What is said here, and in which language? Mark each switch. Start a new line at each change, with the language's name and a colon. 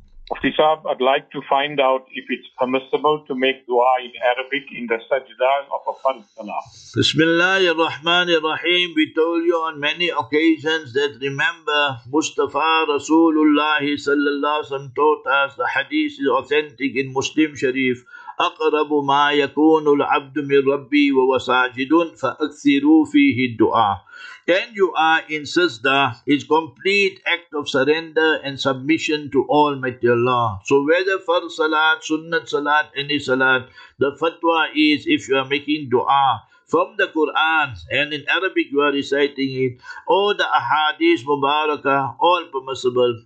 English: Mufti Sahab, I'd like to find out if it's permissible to make dua in Arabic in the sajda of a fard salah.
Arabic: Bismillahirrahmanirrahim.
English: We told you on many occasions that, remember, Mustafa Rasulullah sallallahu alayhi wa sallam taught us the hadith is authentic in Muslim Sharif.
Arabic: أقرب ما يكون العبد من ربي ووساجد فأكثروا فيه الدعاء.
English: When you are in sajda, is complete act of surrender and submission to Almighty Allah. So whether fard salat, sunnat salat, any salat, the fatwa is if you are making dua from the Quran and in Arabic you are reciting it, or the ahadith mubarakah, all permissible.